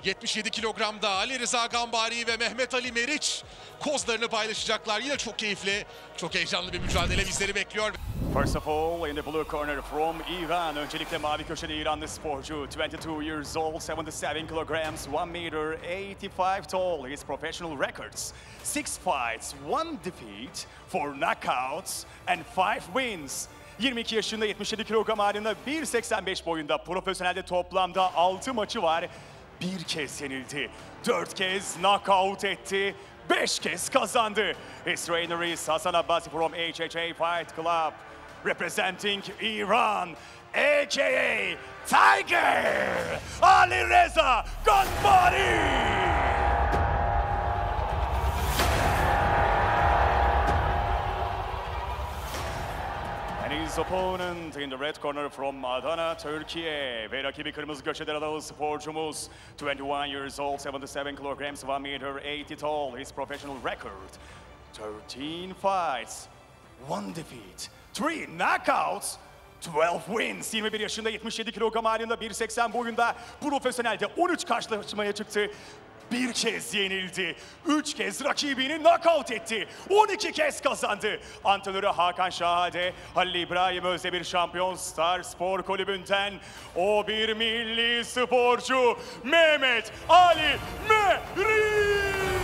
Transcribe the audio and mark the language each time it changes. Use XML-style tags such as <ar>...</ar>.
<tr>77 kilogramda Ali Rıza Gambari ve Mehmet Ali Meriç kozlarını paylaşacaklar. Yine çok keyifli, çok heyecanlı bir mücadele bizleri bekliyor.</tr> <en>First of all, in the blue corner from Iran.</en> <tr>Öncelikle mavi köşede İranlı sporcu,</tr> <en>22 years old, 77 kilograms, 1 meter, 85 tall. His professional records, 6 fights, 1 defeat, 4 knockouts and 5 wins.</en> <tr>22 yaşında, 77 kilogram ağırlığında, 1.85 boyunda, profesyonelde toplamda 6 maçı var. Bir kez yenildi, 4 kez knockout etti, 5 kez kazandı.</tr> <en>His trainer is Hasan Abbasi from HHA Fight Club. Representing Iran, a.k.a. Tiger, Ali Reza Gambari! And his opponent in the red corner from Adana, Turkey.</en> <tr>Ve rakibi kırmızı köşede aralı sporcumuz.</tr> <en>21 years old, 77 kilograms, 1 meter, 80 tall. His professional record, 13 fights, 1 defeat. 3 knockouts, 12 wins.</en> <tr>21 yaşında, 77 kilogram ağırlığında, 1.80 boyunda, profesyonelde 13 karşılaşmaya çıktı. Bir kez yenildi, 3 kez rakibini knockout etti, 12 kez kazandı. Antrenörü Hakan Şahade, Halil İbrahim Özdemir şampiyon, Star Spor Kulübü'nden o bir milli sporcu Mehmet Ali Meriç.</tr>